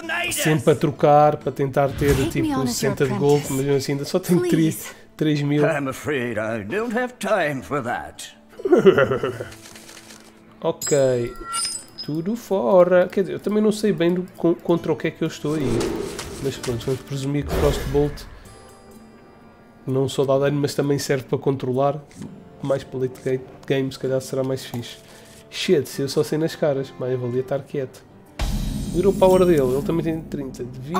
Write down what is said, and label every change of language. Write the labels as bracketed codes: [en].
[pt] Sempre a trocar, para tentar ter tipo 60 de gold, mas assim ainda só tenho 3 mil. [en] I'm afraid I don't have time for that. [pt] Ok, tudo fora. Quer dizer, eu também não sei bem contra o que é que eu estou aí. Mas pronto, vamos presumir que o Frostbolt. Não só dá dano, mas também serve para controlar. Mais para late game, se calhar será mais fixe. Shit, se eu só sei nas caras, mais valia estar quieto. Virou o power dele, ele também tem 30 de vida.